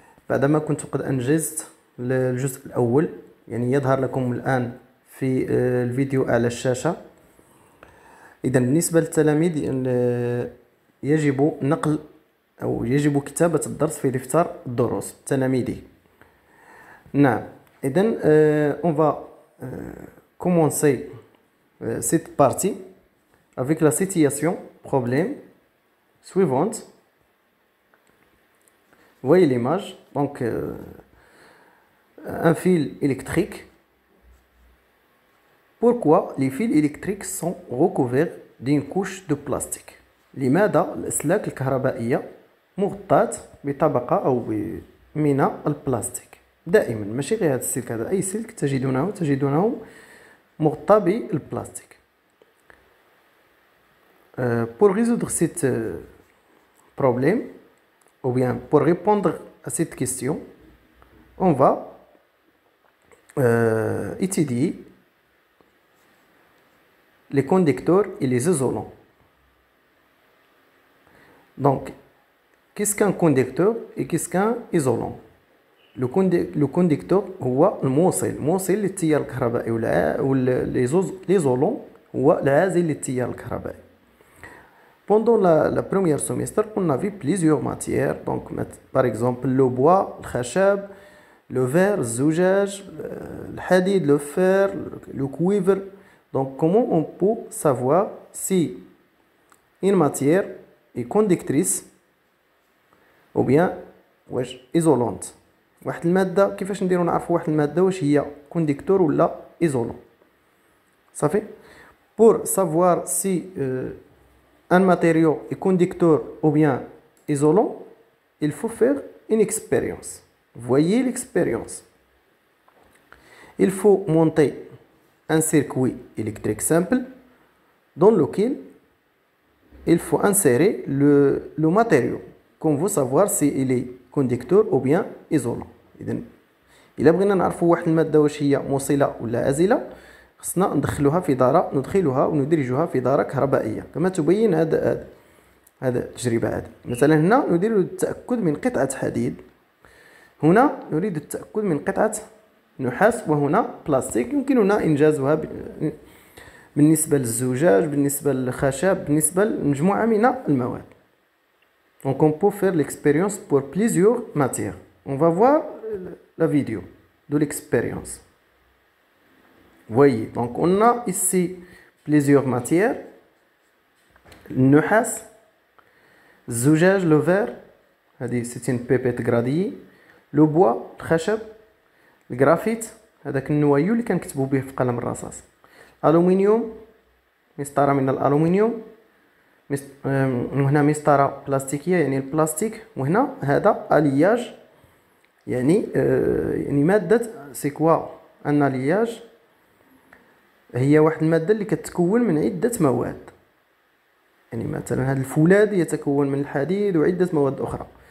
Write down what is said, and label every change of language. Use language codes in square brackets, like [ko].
[ar] بعدما كنت قد أنجزت الجزء الأول، يعني يظهر لكم الآن في الفيديو على الشاشة. إذا بالنسبة للتلاميذ يجب نقل أو يجب كتابة الدرس في دفتر الدروس التلاميذي. نعم، إذن [fr] on va commencer cette partie avec la situation problème suivante. Voyez l'image. Donc un fil électrique. Pourquoi les fils électriques sont recouverts d'une couche de plastique? [ar] لماذا الأسلاك الكهربائية مغطاة بطبقة أو من البلاستيك دائما؟ ماشي غير هذا السلك، هذا أي سلك تجدونه مغطى بالبلاستيك. [fr] Pour résoudre cette problème ou bien pour répondre à cette question, on va étudier les conducteurs et les isolants. Donc qu'est-ce qu'un conducteur et qu'est-ce qu'un isolant? Le conducteur [ar] هو الموصل. الموصل للتيار الكهربائي والإيزولون هو العازل للتيار الكهربائي. [fr] Pendant la première semestre, on a vu plusieurs matières. Donc par exemple le bois, الخشب, le verre, الزجاج, الحديد, le fer, le cuivre. Donc comment on peut savoir si une matière est conductrice ou bien [ar] واش ايزولونت؟ واحد الماده كيفاش نديرو نعرفو واحد الماده واش هي كونديكتور ولا ايزولون؟ صافي. [fr] بور سافوار سي ان ماتيريو اي كونديكتور او بيان ايزولون، il faut faire une expérience. Voyez l'expérience. Il faut monter un circuit électrique simple dans lequel il faut insérer le matériau. Comme vous savoir si il est conducteur ou bien isolant. [ar] اذا الا بغينا نعرفوا واحد الماده واش هي موصله ولا عازله، خصنا ندخلوها في داره، ندخلها وندرجها في داره كهربائيه كما تبين هذا التجربه. هذا مثلا هنا ندير التاكد من قطعه حديد، هنا نريد التاكد من قطعه نحاس، وهنا بلاستيك. يمكننا انجازها بالنسبه للزجاج، بالنسبه للخشب، بالنسبه لمجموعه من المواد. [fr] Donc on peut faire l'expérience pour plusieurs matières. On va voir la vidéo de l'expérience. Voyez, donc on a ici plusieurs matières. Nuhas, zoujage, le verre, c'est une pépette gradée. Le bois, le khashab, le graphite, c'est un noyau qui est écrit dans le qalam rasas. [ar] Aluminium, mistara min al-aluminium. وهنا مسطرة بلاستيكية يعني البلاستيك، وهنا هذا الياج يعني مادة سيكوا. أن الياج هي واحد المادة اللي كتكون من عدة مواد، يعني مثلا هذا الفولاذ يتكون من الحديد وعدة مواد أخرى.